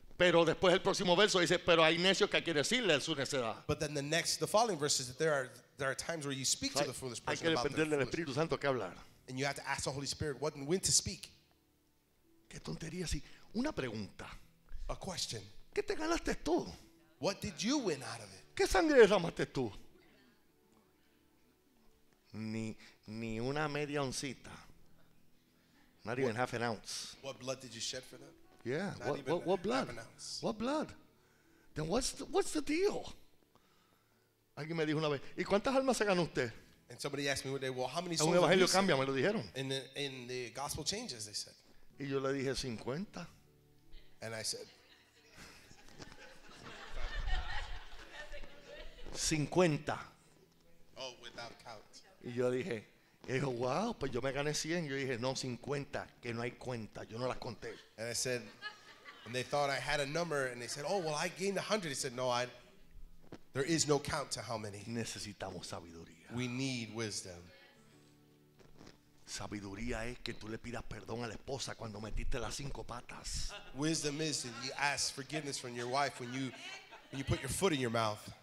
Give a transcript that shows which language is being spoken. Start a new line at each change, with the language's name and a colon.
Spanish: Pero después el próximo verso dice, pero hay necios que hay que decirle su necedad.
English: But then the following verse is that there are times where you speak to the foolish person.
Spanish: Hay que depender del Espíritu Santo qué hablar.
English: And you have to ask the Holy Spirit what and when to speak.
Spanish: Qué tontería, sí. Una pregunta.
English: A question.
Spanish: ¿Qué te ganaste tú?
English: What did you win out of it?
Spanish: ¿Qué sangre derramaste tú? Ni una media oncita.
English: Not even half an ounce. What blood did you shed for them? Yeah. What blood? What blood? Then what's the deal?
Spanish: Alguien me dijo una vez, ¿y cuántas almas se ganó usted?
English: And somebody asked me one day, well, how many souls did you
Spanish: save? Cambia, me lo dijeron.
English: In the gospel changes, they said.
Spanish: Y yo le dije, 50.
English: And I said, 50. Oh, without count.
Spanish: Y yo dije, y dijo, wow, pues yo me gané 100. Yo dije, no, 50, que no hay cuenta. Yo no las conté.
English: And I said, and they thought I had a number. And they said, oh, well, I gained 100. He said, no, there is no count to how many.
Spanish: Necesitamos sabiduría.
English: We need wisdom.
Spanish: Sabiduría es que tú le pidas perdón a la esposa cuando metiste las 5 patas.
English: Wisdom is that you ask forgiveness from your wife when you put your foot in your mouth.